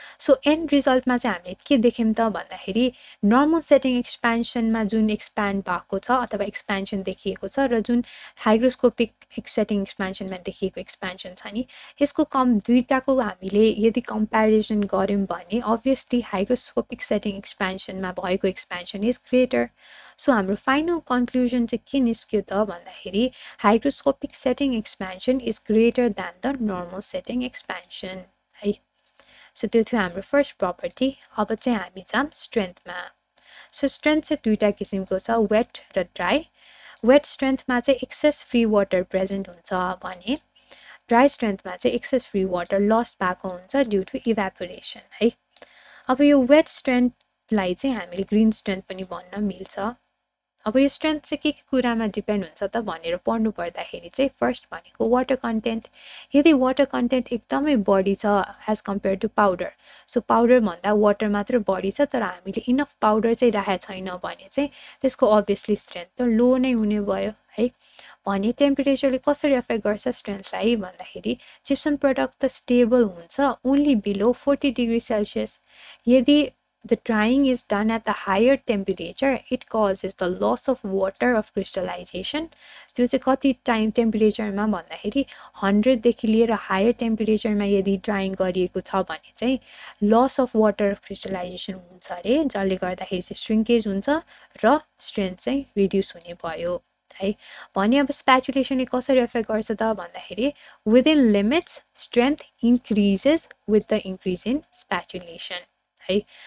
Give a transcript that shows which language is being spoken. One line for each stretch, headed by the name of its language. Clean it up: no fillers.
Nepali: So and रिजल्टमा चाहिँ हामीले के देख्यौँ त भन्दाखेरि नर्मल सेटिङ एक्सपेन्सनमा जुन एक्सप्यान्ड भएको छ अथवा एक्सपेन्सन देखिएको छ र जुन हाइग्रोस्कोपिक सेटिङ एक्सपेन्सनमा देखिएको एक्सपेन्सन छ नि यसको कम दुईवटाको हामीले यदि कम्पेरिजन गऱ्यौँ भने अभियसली हाइग्रोस्कोपिक सेटिङ एक्सपेन्सनमा भएको एक्सपेन्सन इज ग्रेटर. सो हाम्रो फाइनल कन्क्लुजन चाहिँ के निस्क्यो त भन्दाखेरि hygroscopic setting expansion
English: is greater than the normal setting expansion
Nepali: है. सो त्यो थियो हाम्रो फर्स्ट प्रपर्टी. अब चाहिँ हामी जाम स्ट्रेन्थमा. सो स्ट्रेन्थ चाहिँ दुईवटा किसिमको छ वेट र ड्राई. वेट स्ट्रेन्थमा चाहिँ एक्सेस फ्री वाटर प्रेजेन्ट हुन्छ भने ड्राई स्ट्रेन्थमा चाहिँ एक्सेस फ्री वाटर लस्ट भएको हुन्छ ड्यु टु इभ्यापोरेसन है. अब यो वेट स्ट्रेन्थलाई चाहिँ हामीले ग्रिन स्ट्रेन्थ पनि भन्न मिल्छ. अब यो स्ट्रेन्थ चाहिँ के कुरामा डिपेन्ड हुन्छ त भनेर पढ्नु पर्दाखेरि चाहिँ फर्स्ट भनेको वाटर कन्टेन्ट. यदि वाटर कन्टेन्ट एकदमै बढी छ as compare to powder, so पाउडरभन्दा water मात्र बढी छ तर हामीले इनफ पाउडर चाहिँ राखेको छैन भने चाहिँ त्यसको अभियसली स्ट्रेन्थ त लो नै हुने भयो है. भने टेम्परेचरले कसरी अफेक्ट गर्छ स्ट्रेन्थलाई भन्दाखेरि जिप्सम प्रडक्ट त स्टेबल हुन्छ ओन्ली बिलो 40 degrees Celsius.
English: यदि the drying is done at the higher temperature it causes the loss of water of crystallization.
Nepali: त्यो चाहिँ कति टाइम टेम्परेचरमा भन्दाखेरि 100 degrees Celsius लिएर हायर टेम्परेचरमा यदि ड्राइङ गरिएको छ भने चाहिँ loss of water of crystallisation हुन्छ अरे, जसले गर्दाखेरि चाहिँ श्रिङ्केज हुन्छ र स्ट्रेन्थ चाहिँ रिड्युस हुने भयो है. भने अब स्पेचुलेसनले कसरी एफेक्ट गर्छ त भन्दाखेरि
English: within limits strength increases with the increase in spatulation
Nepali: है.